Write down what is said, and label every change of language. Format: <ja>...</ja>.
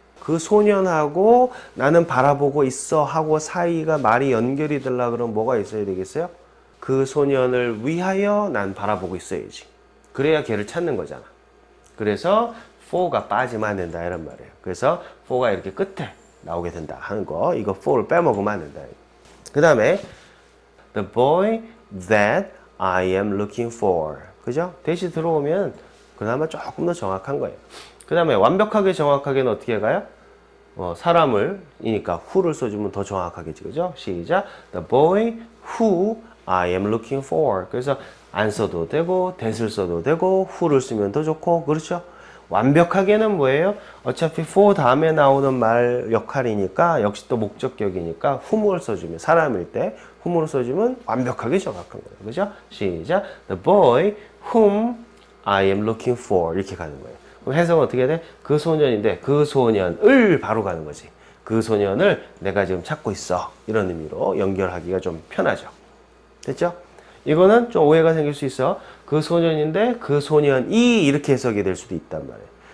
<ko>그 소년하고 나는 바라보고 있어 하고 사이가 말이 연결이 되려고 그러면 뭐가 있어야 되겠어요? 그 소년을 위하여 난 바라보고 있어야지. 그래야 걔를 찾는 거잖아. 그래서 for가 빠지면 안 된다 이런 말이에요. 그래서 for가 이렇게 끝에 나오게 된다 하는 거. 이거 for를 빼먹으면 안 된다. 그 다음에</ko> <en>the boy that I am looking for.</en> <ko>그죠? 대시 들어오면 그나마 조금 더 정확한 거예요. 그 다음에 완벽하게 정확하게는 어떻게 가요? 사람을 이니까 who를 써주면 더 정확하겠지. 그죠? 시작.</ko> <en>The boy who I am looking for.</en> <ko>그래서 안 써도 되고, that을 써도 되고, who를 쓰면 더 좋고. 그렇죠? 완벽하게는 뭐예요? 어차피 for 다음에 나오는 말 역할이니까, 역시 또 목적격이니까 whom을 써주면, 사람일 때 whom을 써주면 완벽하게 정확한 거예요. 그죠? 시작.</ko> <en>The boy whom I am looking for.</en> <ko>이렇게 가는 거예요. 그럼 해석은 어떻게 돼? 그 소년인데 그 소년을 바로 가는 거지. 그 소년을 내가 지금 찾고 있어. 이런 의미로 연결하기가 좀 편하죠. 됐죠? 이거는 좀 오해가 생길 수 있어. 그 소년인데 그 소년이 이렇게 해석이 될 수도 있단 말이야.</ko>